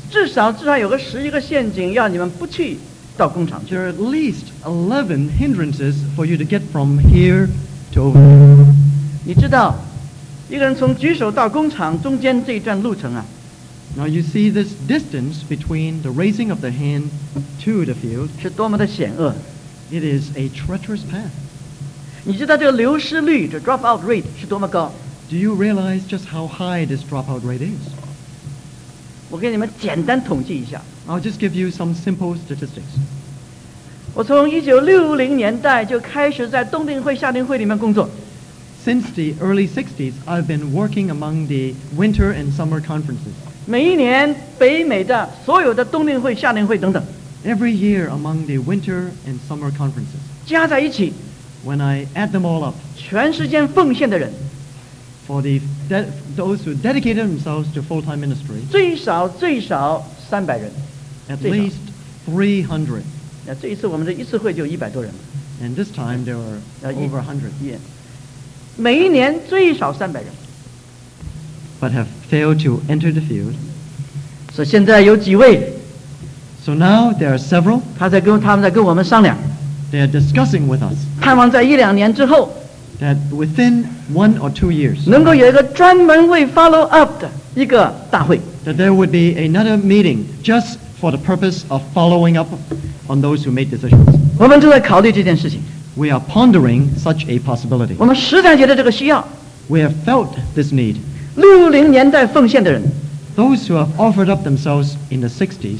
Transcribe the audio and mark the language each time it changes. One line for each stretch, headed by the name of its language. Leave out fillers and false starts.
Chinese: 至少有个十一个陷阱要你们不去到工厂去。
English: There are at least 11 hindrances for you to get from here to over there.
Chinese: 你知道，一个人从举手到工厂中间这一段路程啊。
English: Now you see this distance between the raising of the hand to the field.
Chinese: 是多么的险恶。
English: It is a treacherous path.
Chinese: 你知道这个流失率，这 dropout rate 是多么高？
English: Do you realize just how high this dropout rate is?
Chinese: 我给你们简单统计一下。
English: I'll just give you some simple statistics.
Chinese: 我从1960年代就开始在冬令会、夏令会里面工作。
English: Since the early 60s, I've been working among the winter and summer conferences.
Chinese: 每一年北美的所有的冬令会、夏令会等等。
English: Every year among the winter and summer conferences,
Chinese: 加在一起,
English: when I add them all up,
Chinese: 全时间奉献的人,
English: for those who dedicated themselves to full-time ministry,
Chinese: 最少300人,
English: at least 300.
Chinese: 那这一次我们的一次会就100多人,
English: and this time there were over 100.
Chinese: Yeah. 每一年最少300人,
English: but have failed to enter the field.
Chinese: So 现在有几位?
English: So now there are several.
Chinese: 他们在跟我们商量。
English: They are discussing with us.
Chinese: 盼望在一两年之后。
English: That within 1 or 2 years.
Chinese: 能够有一个专门为 follow up 的一个大会。
English: That there would be another meeting just for the purpose of following up on those who made decisions.
Chinese: 我们正在考虑这件事情。
English: We are pondering such a possibility.
Chinese: 我们实在觉得这个需要。
English: We have felt this need.
Chinese: 60年代奉献的人。
English: Those who have offered up themselves in the 60s,